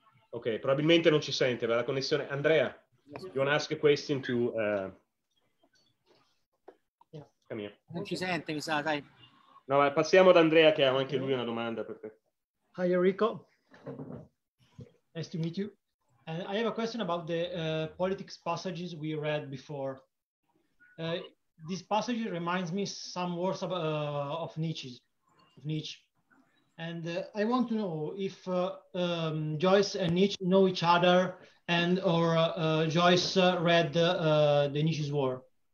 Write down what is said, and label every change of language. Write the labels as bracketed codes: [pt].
[it] Ok, probabilmente non ci sente, va la connessione. [en] Andrea, you want to ask a question to... Come here. [it] Non ci sente, mi sa, dai. No, passiamo ad Andrea, che ha anche lui una domanda per te. [en] Hi, Enrico. Nice to meet you. And I have a question about the politics passages we read before. This passage reminds me some words of Nietzsche. And I want to know if Joyce and Nietzsche know each other, and or Joyce read the Nietzsche's work.